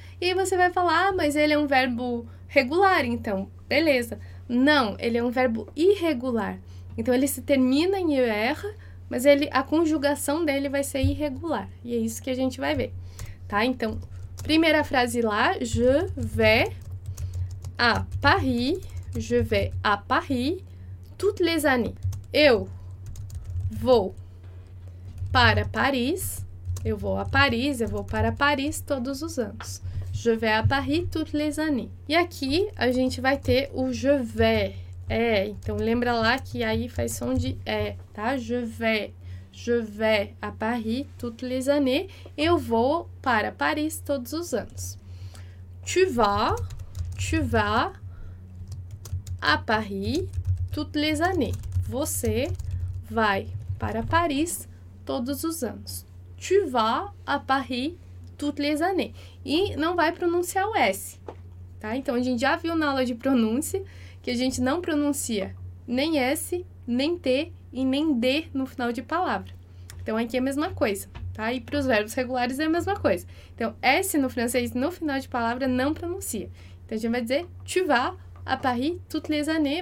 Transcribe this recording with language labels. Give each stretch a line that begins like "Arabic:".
Portuguese: E aí, você vai falar, ah, mas ele é um verbo regular, então, beleza. Não, ele é um verbo irregular. Então, ele se termina em er, mas ele, a conjugação dele vai ser irregular. E é isso que a gente vai ver, tá? Então, primeira frase lá,
French: je vais à Paris. Je vais à Paris toutes les années.
Portuguese: Eu vou para Paris. Eu vou a Paris, eu vou para Paris todos os anos.
French: Je vais à Paris toutes les années.
Portuguese: E aqui a gente vai ter o je vais. É, então lembra lá que aí faz som de é, tá?
French: Je vais à Paris toutes les années.
Portuguese: Eu vou para Paris todos os anos.
French: Tu vas à Paris toutes les années.
Portuguese: Você vai para Paris todos os anos.
French: Tu vas à Paris toutes les années.
Portuguese: E não vai pronunciar o S, tá? Então, a gente já viu na aula de pronúncia que a gente não pronuncia nem S, nem T e nem D no final de palavra. Então, aqui é a mesma coisa, tá? E para os verbos regulares é a mesma coisa. Então, S no francês, no final de palavra, não pronuncia. Então, a gente vai dizer
French: tu vas à Paris toutes les années.